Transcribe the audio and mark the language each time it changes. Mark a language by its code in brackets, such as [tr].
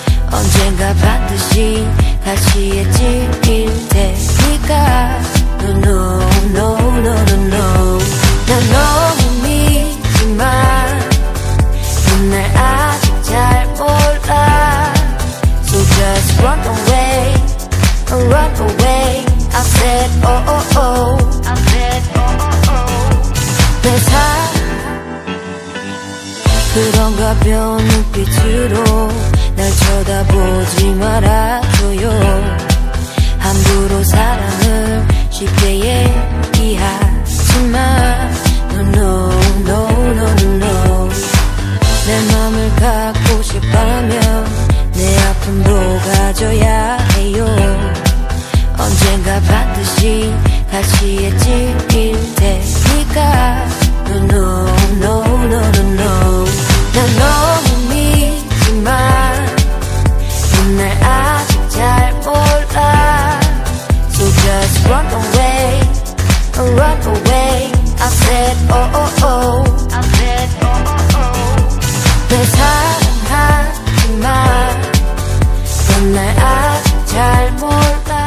[ko] 언젠가 반드시 다시 해질 테니까. [en] No no no no no no. [ko] 난 너무 믿지만 넌 날 아직 잘 몰라. [en] So just run away, run away. I said oh oh oh, I said oh oh oh. [ko] 내 사랑 그런가 변 눈빛으로 날 쳐다보지 말아줘요. 함부로 사랑을 쉽게 얘기하지 마. [en] No no no no no no. [ko] 내 맘을 갖고 싶다면 내 아픔도 가져야 해요. 언젠가 반드시 다시 해질 테니까. [en] No no no no no no. [ko] 난 너무 믿지만 넌 날 아직 잘 몰라. [en] So just run away, run away. I said oh oh oh, I said oh oh oh. [ko] 내 사랑하지만 넌 날 아직 잘 몰라.